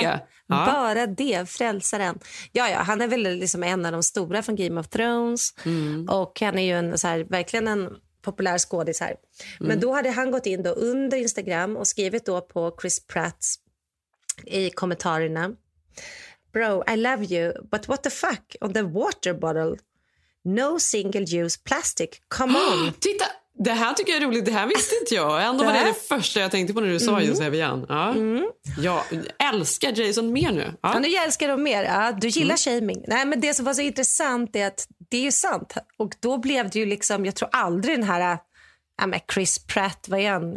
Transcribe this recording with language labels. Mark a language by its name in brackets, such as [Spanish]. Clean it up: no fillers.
[Swedish] Ja. Ja. Bara det, frälsaren. Ja, ja, han är väl liksom en av de stora från Game of Thrones. Mm. Och han är ju en, så här, verkligen en populär skådis här. Mm. Men då hade han gått in då under Instagram och skrivit då på Chris Pratts i kommentarerna. [English] Bro, I love you, but what the fuck on the water bottle? No single-use plastic, come on! [Swedish] Titta! Det här tycker jag är roligt, det här visste inte jag. Ändå var det första jag tänkte på när du sa just Evian. Ja. Mm. Jag älskar Jason mer nu. Ja, ja nu älskar de mer. Ja, du gillar shaming. Nej, men det som var så intressant är att det är ju sant. Och då blev det ju liksom, jag tror aldrig den här Chris Pratt, vad är han?